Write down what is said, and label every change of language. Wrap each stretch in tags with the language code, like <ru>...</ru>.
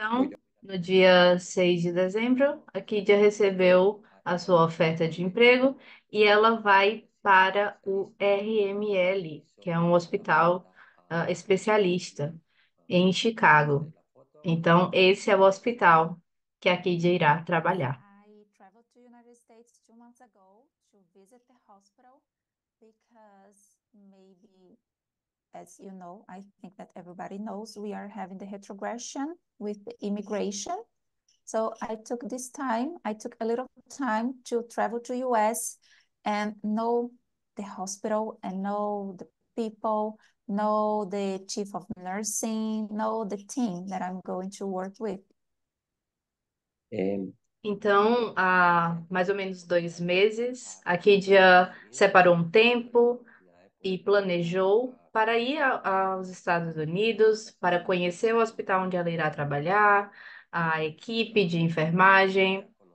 <pt>Então, no dia 6 de dezembro, a Kidia recebeu a sua oferta de emprego e ela vai para o RML, que é um hospital especialista em Chicago. Então, esse é o hospital que a Kidia irá trabalhar.</pt> <en>I traveled to the United States 2 months ago to visit the hospital. Because maybe, as you know, I think that everybody knows, we are having the retrogression with the immigration. So I took this time, I took a little time to travel to US and know the hospital and know the people, know the chief of nursing, know the team that I'm going to work with.</en> <pt>Então, há mais ou menos 2 meses, a Kidia separou um tempo e planejou para ir aos Estados Unidos, para conhecer o hospital onde ela irá trabalhar, a equipe de enfermagem.</pt>